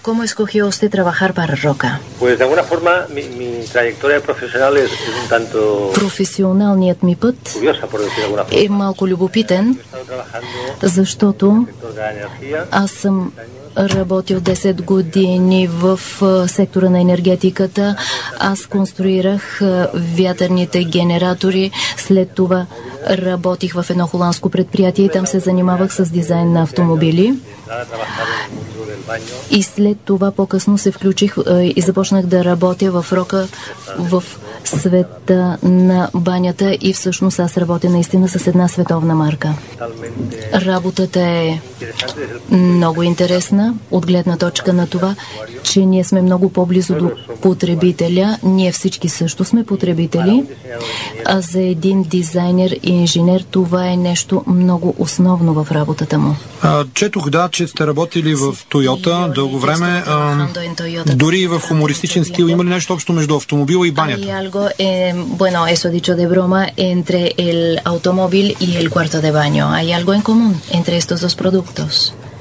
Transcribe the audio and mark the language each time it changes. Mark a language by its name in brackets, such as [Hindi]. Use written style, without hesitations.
[Spanish] Como escogió usted trabajar para Roca? Pues de alguna forma mi trayectoria profesional es un tanto [Bulgarian] Професионалният ми път е малко любопитен, защото аз съм работил 10 години в сектора на енергетиката. Аз конструирах вятърните генератори. След това работих в едно холандско предприятие и там се занимавах с дизайн на автомобили. И след това по-късно се включих и започнах да работя в Рока в света на банята и всъщност аз работя наистина с една световна марка. Работата е много интересна от гледна точка на това, че ние сме много по-близо до потребителя. Ние всички също сме потребители, а за един дизайнер и инженер това е нещо много основно в работата му. Четох, да, че сте работили в Тойота дълго време, дори и в хумористичен стил. Има ли нещо общо между автомобила и банята? [Spanish] Bueno, eso dicho de broma, entre el automóvil y el cuarto de baño. ¿Hay algo en común entre estos dos productos?